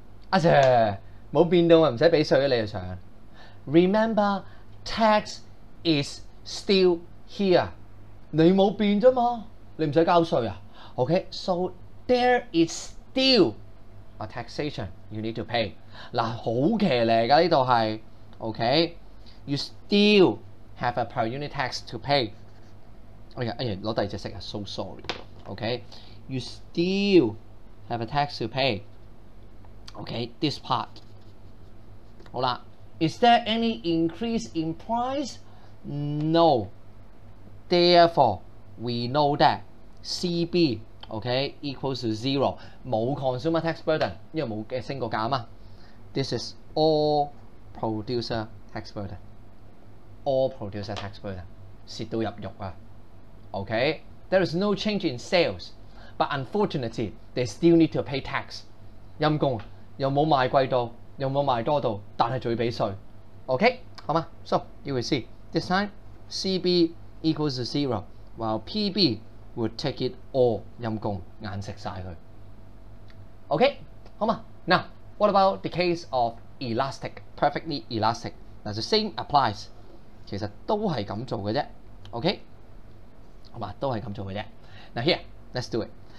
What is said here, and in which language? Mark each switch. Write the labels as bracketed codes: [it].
[yue] 阿Sir，冇變到啊，唔使俾水你啊，上。 [en] Remember, tax is still here. [yue] 你冇變啫嘛，你唔使交税啊。 [en] Okay, so there is still a taxation you need to pay. [yue] 嗱，好騎呢㗎呢度係。 [en] Okay, you still have a per unit tax to pay. [yue] 哎呀，攞第二隻色啊， [en] so sorry. Okay, you still have a tax to pay. Okay, this part. 好啦， is there any increase in price? No. Therefore, we know that CB, okay, equals to zero. 冇 consumer tax burden， [yue] 因為冇升過價嘛。 [en] This is all producer tax burden. All producer tax burden. [yue] 蝕到入肉啊。 [en] Okay, there is no change in sales, but unfortunately, they still need to pay tax. [yue] 陰公，又冇賣貴到，又冇賣多到，但係仲要俾税。 [en] Okay, 好嘛。 So you will see this time, CB equals to zero, while PB will take it all. [yue] 陰公，眼食曬佢。Okay, 好嘛。 [en] Now, what about the case of elastic? Perfectly elastic. Now the same applies. [yue] 其實都係咁做嘅啫。 [en] Okay. [yue] 好吧，都係咁做嘅啫。 [en] Now here, let's do it.